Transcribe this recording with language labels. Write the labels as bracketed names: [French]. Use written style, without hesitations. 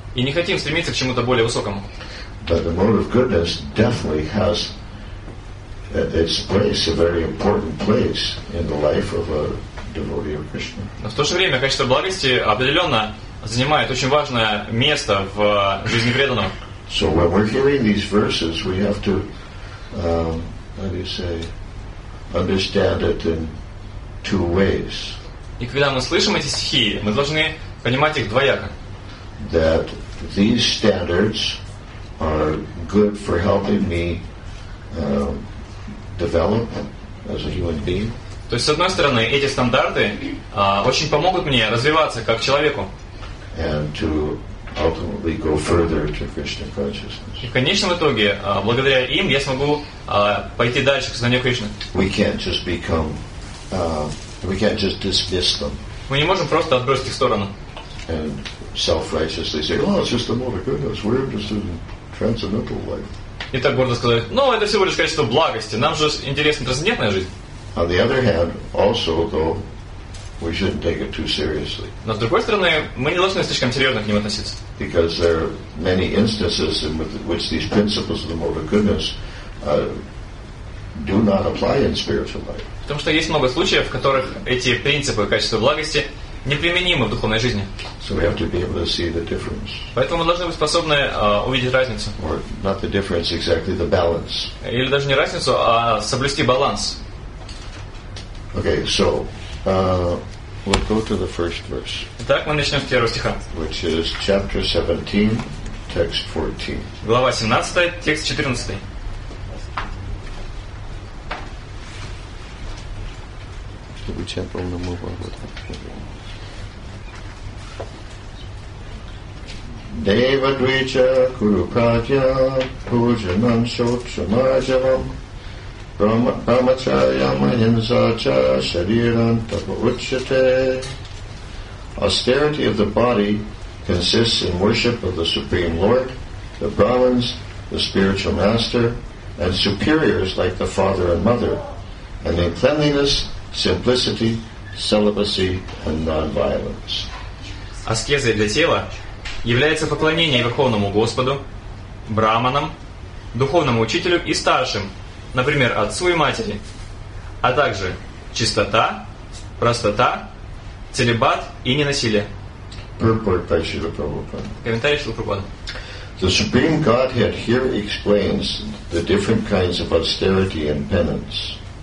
[Russian] И не хотим стремиться к чему-то более высокому. [English] But the mode of goodness definitely has its place, a very important place in the life of a devotee of Krishna. [Russian] Но в то же время качество благости определенно занимает очень важное место в жизни преданного. [English] So when we're hearing these verses, we have to, how do you say, understand it in two ways. [Russian] И когда мы слышим эти стихи, мы должны понимать их двояко. [English] That these standards are good for helping me develop as a human being. [Russian] То есть, с одной стороны, эти стандарты очень помогут мне развиваться как человеку. [English] And to ultimately go further to Krishna consciousness. [Russian] И в конечном итоге, благодаря им, я смогу пойти дальше к знанию Кришны. [English] We can't just dismiss them. [Russian] Мы не можем просто отбросить их в сторону. [English] And self-righteously say, oh, it's just a mode of goodness. We're interested in transcendental life. [Russian] И так гордо сказать, ну, это всего лишь качество благости. Нам же интересна трансцендентная жизнь. [English] On the other hand, also, though, we shouldn't take it too seriously. [Russian] Но с другой стороны, мы не должны слишком серьезно к ним относиться. [English] Because there are many instances in which these principles of the mode of goodness do not apply in spiritual life. [Russian] Потому что есть много случаев, в которых эти принципы качества благости неприменимы в духовной жизни. [English] So we have to be able to see the difference. [Russian] Поэтому мы должны быть способны увидеть разницу. [English] Or not the difference, exactly the balance. [Russian] Или даже не разницу, а соблюсти баланс. [English] Okay, so we'll go to the first verse. [Russian] Итак, мы начнем с первого стиха. [English] Which is chapter 17, text 14. [Russian] Глава 17, текст 14. Чтобы чем полному было. [Sanskrit] Deva Dvicha Kuru Pratya Pujanam Shokshamajavam Brahmacharya Mahinsacha Shadiran Tapavuchate. [English] Austerity of the body consists in worship of the Supreme Lord, the Brahmins, the spiritual master, and superiors like the father and mother, and in cleanliness, simplicity, celibacy, and non-violence. [Russian] Аскезой для тела является поклонение Верховному Господу, Брахманам, духовному учителю и старшим, например, отцу и матери, а также чистота, простота, целибат и ненасилие. [English] Purport by Srila Prabhupada. [Russian] Комментарий Шрила Прабхупады. [English] The Supreme Godhead here explains the different kinds of austerity and penance.